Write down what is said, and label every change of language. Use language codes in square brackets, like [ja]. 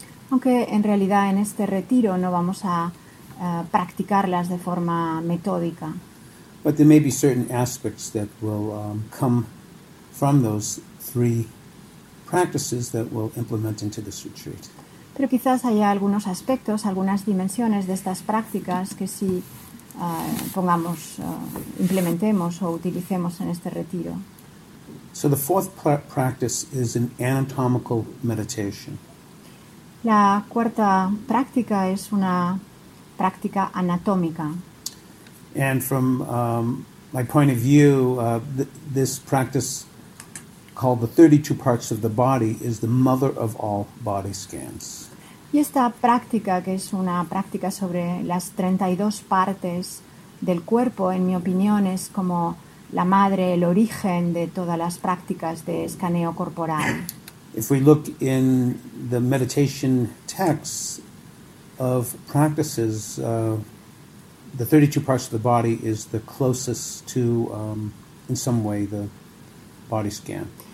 [es] Aunque en realidad en este retiro no vamos a practicarlas de forma metódica. [en] But there may be certain aspects that will come from those three practices that we'll implement into this retreat. [es] Pero quizás haya algunos aspectos, algunas dimensiones de estas prácticas que sí pongamos, implementemos o utilicemos en este retiro. [en] So the fourth practice is an anatomical meditation. [es] La cuarta práctica es una práctica anatómica. [en] And from my point of view, this practice called the 32 parts of the body is the mother of all body scans. [es] Y esta práctica, que es una práctica sobre las 32 partes del cuerpo, en mi opinión, es como la madre, el origen de todas las prácticas de escaneo corporal. [en] If we look in the meditation texts of practices, the 32 parts of the body is the closest to, in some way, the body scan.